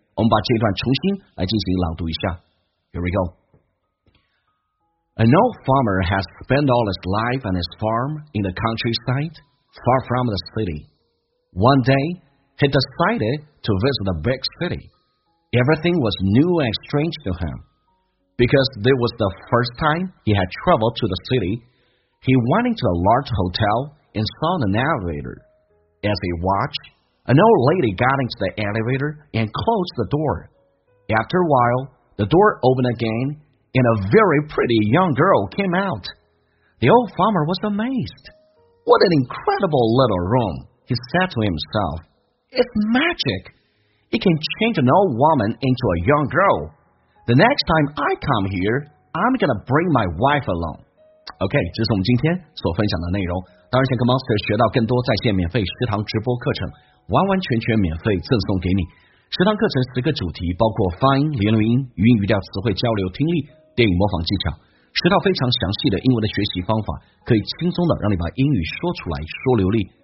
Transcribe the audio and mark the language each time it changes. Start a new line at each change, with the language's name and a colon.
Chinese: 我们把这段重新来进行朗读一下。
English: Here we go. An old farmer has spent all his life on his farm in the countryside, far from the city. One day, he decided to visit a big city. Everything was new and strange to him. Because this was the first time he had traveled to the city, he went into a large hotel and saw an elevator. As he watched, an old lady got into the elevator and closed the door. After a while, the door opened again, and a very pretty young girl came out. The old farmer was amazed. What an incredible little room, he said to himself. It's magic. It can change an old woman into a young girl. The next time I come here, I'm gonna bring my wife along.
Chinese: OK, 这是我们今天所分享的内容。当然想跟 Monster 学到更多在线免费食堂直播课程，完完全全免费赠送给你。食堂课程十个主题，包括发音、连读音、语音语调、词汇交流、听力、电影模仿技巧，十套非常详细的英文的学习方法，可以轻松的让你把英语说出来，说流利。